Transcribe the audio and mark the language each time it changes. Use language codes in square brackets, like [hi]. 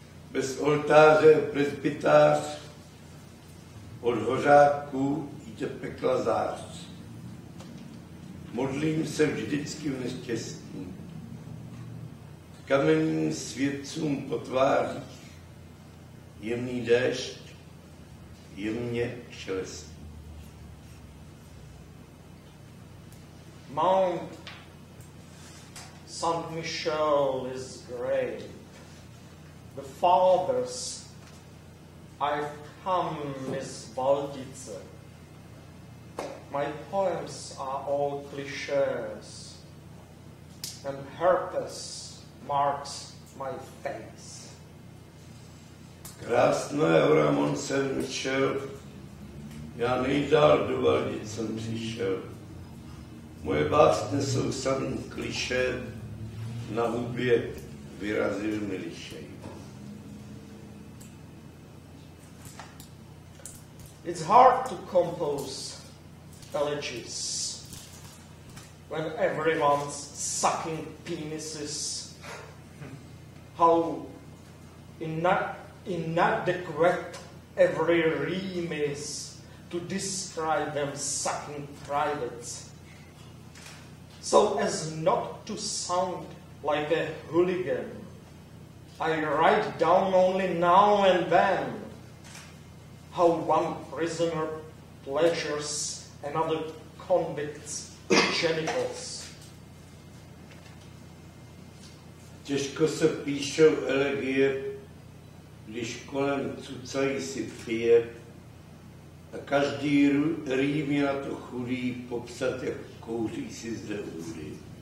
[cs] Bez oltáře presbytář, od hořáků jde pekla zář. Modlím se vždycky v neštěstí, kamenným světcům po tvářích, jemný déšť, jemně šelest. [en] Mount Saint Michel is great. The farthest I've come is Balditze. My poems are all cliches, and herpes marks my face. [cs] Krásná hora Mont Saint Michel, já nejdál do Balditze jsem přišel. Moje básně jsou samý kliše, na hubě vyrazil mi lišej. [en] It's hard to compose elegies when everyone's sucking penises. How inadequate every rhyme is to describe them sucking privates. So as not to sound like a hooligan, I write down only now and then how one prisoner pleasures another convict's genitals. [cs] Těžko se píšou elegie, když kolem cucají si pije, a každý rým je na to chudý popsat, jak kouří si zde údy.